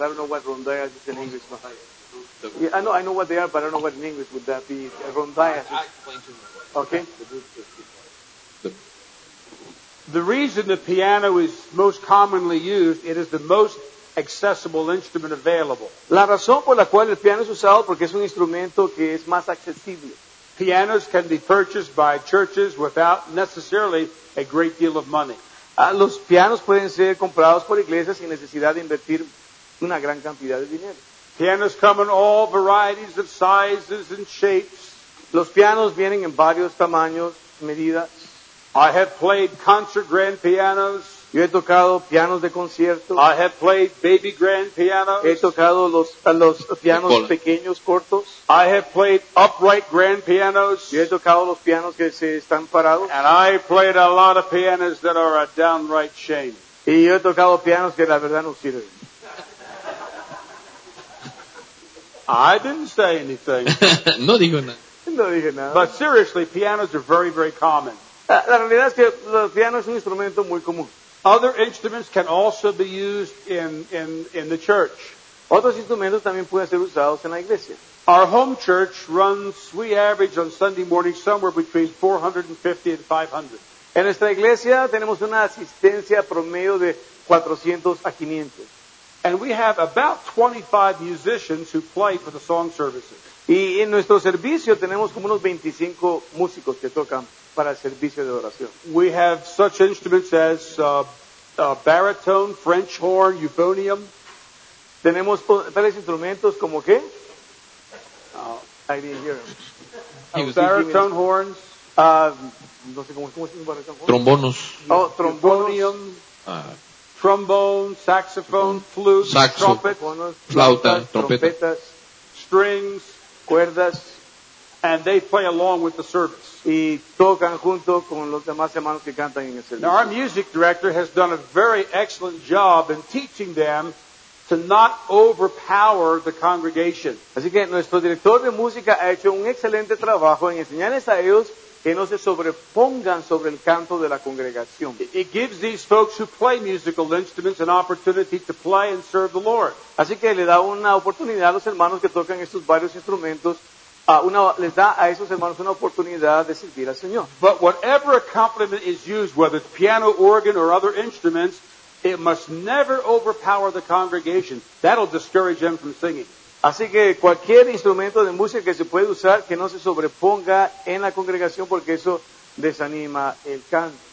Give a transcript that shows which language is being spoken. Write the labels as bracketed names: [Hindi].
[English] I don't know what rondallas is in English. Yeah, I know what they are, but I don't know what in English would that be. Rondallas. I explain to you. Okay. The reason the piano is most commonly used, it is the most accessible instrument available. [Spanish] La razón por la cual el piano es usado porque es un instrumento que es más accesible. [English] Pianos can be purchased by churches without necessarily a great deal of money. [Spanish] Los pianos pueden ser comprados por iglesias sin necesidad de invertir una gran cantidad de dinero. [English] Pianos come in all varieties of sizes and shapes. [Spanish] Los pianos vienen en varios tamaños, medidas. [English] I have played concert grand pianos. [Spanish] Yo he tocado pianos de concierto. [English] I have played baby grand pianos. [Spanish] He tocado los pianos pequeños, cortos. [English] I have played upright grand pianos. [Spanish] Yo he tocado los pianos que se están parados. [English] And I played a lot of pianos that are a downright shame. [Spanish] Y yo he tocado pianos que la verdad no sirven. [English] I didn't say anything. [Spanish] No digo nada. No dije nada. [English] But seriously, pianos are very, very common. [Spanish] La realidad es que el piano es un instrumento muy común. [English] Other instruments can also be used in the church. [Spanish] Otros instrumentos también pueden ser usados en la iglesia. [English] Our home church runs, we average on Sunday morning, somewhere between 450 and 500. [Spanish] En nuestra iglesia tenemos una asistencia promedio de 400 a 500. [English] And we have about 25 musicians who play for the song services. [Spanish] Y en nuestro servicio tenemos como unos 25 músicos que tocan para el servicio de oración. [English] We have such instruments as baritone, French horn, euphonium. [Spanish] Tenemos tales instrumentos como qué? [English] Oh, I didn't hear him. Baritone horns. [Spanish] No sé cómo es un baritone. [English] Trombones. Oh, trombones. Trombone, saxophone, flute, [Spanish] saxo, [English] trumpet, [Spanish] flauta, trompetas, [English] strings, [Spanish] cuerdas, [English] and they play along with the service. [Spanish] Y tocan junto con los demás hermanos que cantan en el servicio. [English] Now, our music director has done a very excellent job in teaching them to not overpower the congregation. [Spanish] Así que nuestro director de música ha hecho un excelente trabajo en enseñarles a ellos que no se sobrepongan sobre el canto de la congregación. [English] It gives these folks who play musical instruments an opportunity to play and serve the Lord. [Spanish] Así que le da una oportunidad a los hermanos que tocan estos varios instrumentos, les da a esos hermanos una oportunidad de servir al Señor. [English] But whatever accompaniment is used, whether it's piano, organ, or other instruments, it must never overpower the congregation. That'll discourage them from singing. [Spanish] Así que cualquier instrumento de música que se puede usar, que no se sobreponga en la congregación, porque eso desanima el canto.